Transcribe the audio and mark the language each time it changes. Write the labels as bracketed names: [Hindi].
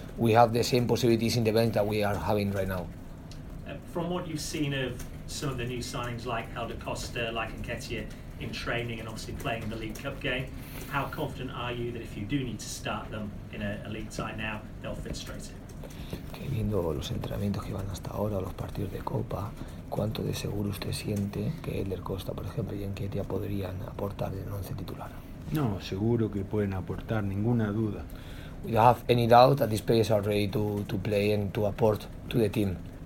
[English] We have the same possibilities in the bench that we are having right now. From what you've seen of some of the new signings like Helder Costa, like Nketiah in training and obviously playing the League Cup game, how confident are you that if you do need to start them in a league tie now, they'll fit straight in? [Spanish] Que viendo los entrenamientos que van hasta ahora, los partidos de Copa, ¿cuánto de seguro usted siente que Helder Costa, por ejemplo, y Nketiah podrían aportar en el once titular? No, seguro que pueden aportar, ninguna duda. [English] We don't have any doubt that these players are ready to play and to aport to the team.